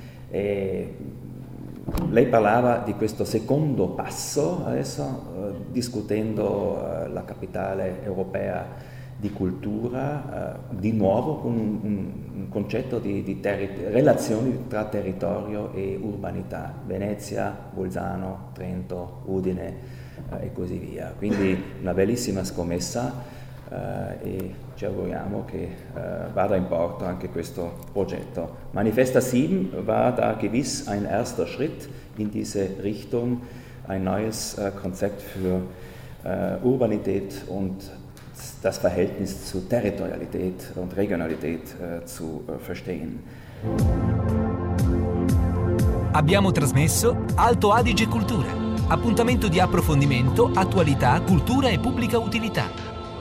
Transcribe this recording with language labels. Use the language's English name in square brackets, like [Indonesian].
[Italian] E lei parlava di questo secondo passo adesso, discutendo la capitale europea di cultura, di nuovo con un concetto di relazioni tra territorio e urbanità, Venezia, Bolzano, Trento, Udine e così via. Quindi una bellissima scommessa e ci auguriamo che vada in porto anche questo progetto. [German] Manifesta 7 war da gewiss ein erster Schritt in diese Richtung, ein neues Konzept für Urbanität und das Verhältnis zu Territorialität und Regionalität zu verstehen. [Italian] Abbiamo trasmesso Alto Adige Cultura, appuntamento di approfondimento, attualità, cultura e pubblica utilità.